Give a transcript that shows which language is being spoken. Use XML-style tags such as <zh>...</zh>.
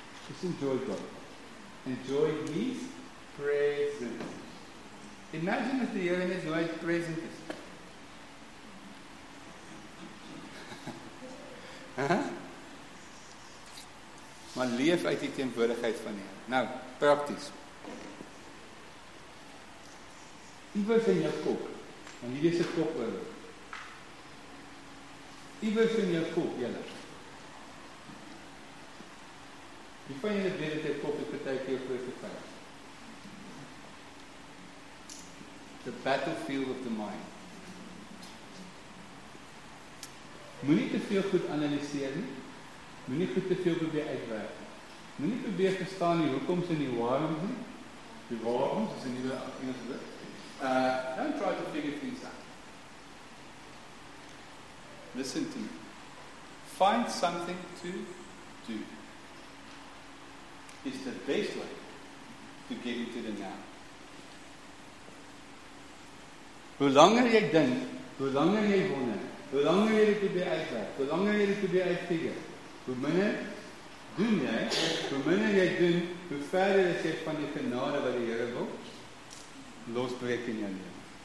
<en>Just enjoy God. Enjoy His presence. Imagine if the Heer in His life present is.</en> <af>Maar leef uit die teenwoordigheid van Heer. Nou, prakties. Iewers in jou kop, want hier is die kop oor. Iewers in jou kop, jylle. Wie van julle weet dat jou kop is partykeer jou grootste vyand?</af> <en>The battlefield of the mind.</en> <af>Moenie te veel goed analiseer nie. Moenie goed te veel probeer uitwerk. Moenie probeer verstaan die hoekoms en die waaroms nie. Die waaroms is 'n nuwe Engelse woord.</af> <en>Don't try to figure things out. Listen to me. Find something to do. Is the best way to get into the now.</en> <af>Hoe langer jy dink, hoe langer jy wonder, hoe langer jy dit probeer uitwerk, hoe langer jy dit probeer uitfigure, hoe minder doen jy, hoe minder jy doen, hoe verder is jy van die genade wat die Here wil, losbreek in jou lewe.</af>